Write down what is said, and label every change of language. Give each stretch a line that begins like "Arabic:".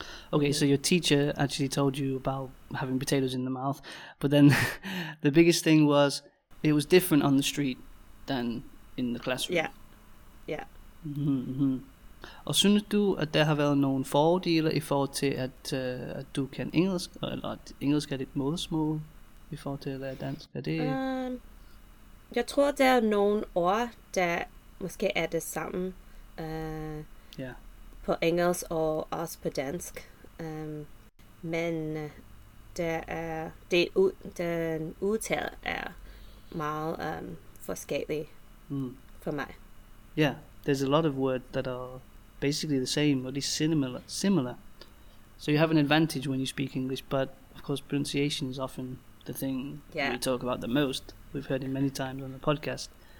English: Okay, so your teacher actually told you about having potatoes in the mouth, but then the biggest thing was it was different on the street than in the classroom. Yeah, yeah. Mm-hmm.
Danish: Og synes du, at der har været nogle fordele i forhold til, at du kan engelsk, eller at engelsk er dit modersmål i forhold til at lære dansk? Er det... Jeg tror, der er nogle ord, der måske er det samme. På engelsk og også på dansk. Men den udtal er meget forskellig for mig.
English: Yeah, there's a lot of words that are basically the same, or at least similar. So you have an advantage when you speak English, but of course pronunciation is often the thing we talk about the most. We've heard it many times on the podcast.